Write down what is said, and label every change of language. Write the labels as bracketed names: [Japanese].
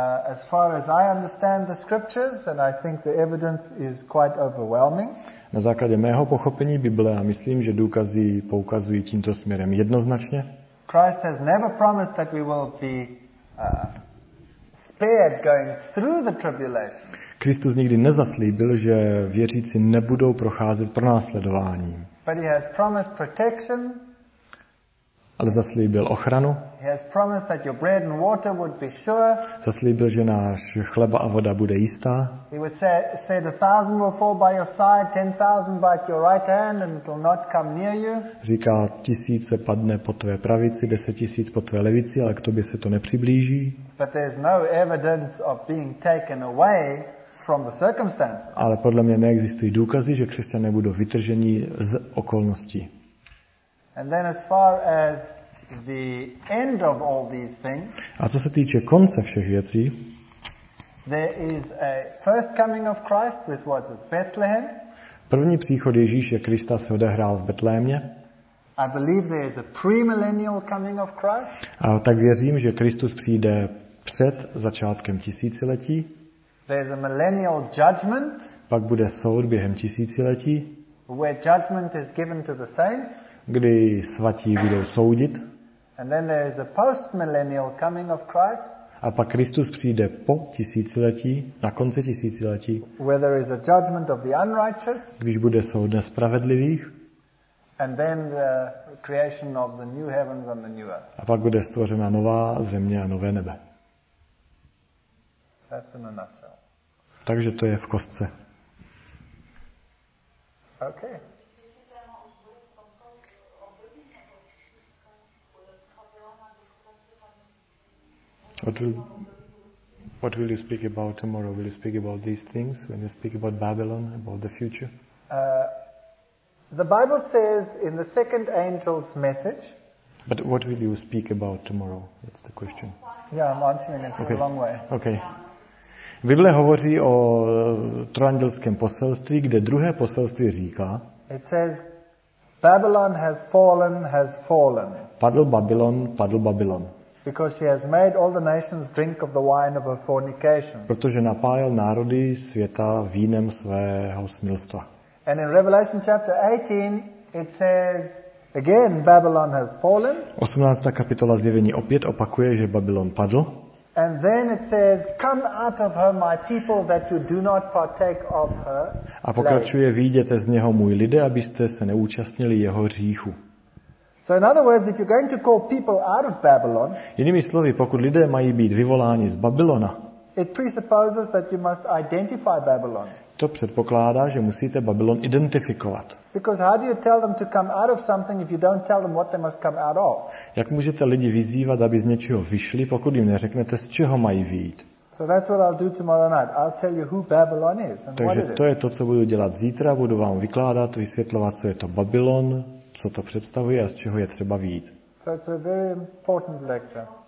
[English] As far as I understand the scriptures, and I think the evidence is quite overwhelming. [Czech] Na základě mého pochopení Bible, a myslím, že důkazy poukazují tímto směrem jednoznačně. [English] Christ has never promised that we will be spared going through the tribulation. [Czech] Kristus nikdy nezaslíbil, že věřící nebudou procházet pronásledováním. [English] But he has promised protection. [Czech] Ale zaslíbil ochranu. [English] He has promised that your bread and water would be sure. [Czech] Zaslíbil, že náš chleba a voda bude jistá. [English] He would say the 1,000 will fall by your side, 10,000 by your right hand, and it will not come near you. [Czech] Říká, tisíce padne po tvé pravici, 10,000 po tvé levici, ale k tobě se to nepřiblíží. [English] But there is no evidence of being taken away from the circumstances. [Czech] Ale podle mě neexistují důkazy, že křesťané budou vytrženi z okolností. [English] And then as far as the end of all these things. [Czech] A co se týče konce všech věcí? [English] There is a first coming of Christ, which was at Bethlehem. [Czech] První příchod Ježíše Krista se odehrál v Betlémě. [English] I believe there is a premillennial coming of Christ. [Czech] A tak věřím, že Kristus přijde před začátkem tisíciletí. [English] There is a millennial judgment. [Czech] Pak bude soud během tisíciletí. [English] Where judgment is given to the saints. [Czech] Kdy svatí budou soudit. [English] And then there is a post-millennial coming of Christ. [Czech] A pak Kristus přijde po tisíciletí, na konci tisíciletí. [English] Where there is a judgment of the unrighteous. [Czech] Když bude soud nespravedlivých. [English] And then the creation of the new heavens and the new earth. [Czech] A pak bude stvořena nová země a nové nebe. [English] That's in a nutshell. [Czech] Takže to je v kostce. [English] Okay. What will you speak about tomorrow? Will you speak about these things when you speak about Babylon, about the future? The Bible says in the second angel's message. But what will you speak about tomorrow? That's the question. Yeah, I'm answering it okay. A long way. Okay. [Czech] Bible hovoří o trojandělském poselství, kde druhé poselství říká. [English] It says, Babylon has fallen, has fallen. [Czech] Padl Babylon, padl Babylon. [English] Because she has made all the nations drink of the wine of her fornication. [Czech] Protože napájel národy světa vínem svého smilstva. [English] And in Revelation chapter 18, It says again, Babylon has fallen. [Czech] 18. kapitola Zjevení opět opakuje, že Babylon padl. [English] And then it says, "Come out of her, my people, that you do not partake of her." [Czech] A pokračuje, vyjděte z něho, můj lidé, abyste se neúčastnili jeho hříchu. [English] So in other words, if you're going to call people out of Babylon, [Czech] jinými slovy, pokud lidé mají být vyvoláni z Babylona, [English] it presupposes that you must identify Babylon. [Czech] To předpokládá, že musíte Babylon identifikovat. [English] Because how do you tell them to come out of something if you don't tell them what they must come out of? [Czech] Jak můžete lidi vyzývat, aby z něčeho vyšli, pokud jim neřeknete, z čeho mají vyjít? [English] So that's what I'll do tomorrow night. I'll tell you who Babylon is and [Czech] takže [English] what it is. [Czech] To je to, co budu dělat zítra, budu vám vykládat, vysvětlovat, co je to Babylon, co to představuje a z čeho je třeba vyjít. [English] So it's a very important lecture.